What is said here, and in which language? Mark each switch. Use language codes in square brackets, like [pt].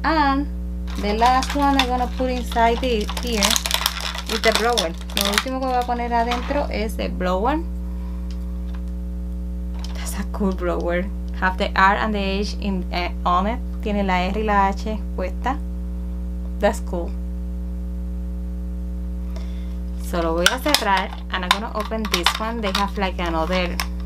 [en] And the last one I'm gonna put inside the, here is the blower. [es] Lo último que voy a poner adentro es el blower. [en] That's a cool blower. Have the R and the H in, on it. [es] Tiene la R y la H puesta. [en] That's cool. [es] So lo voy a cerrar. [en] And I'm gonna open this one. They have like another.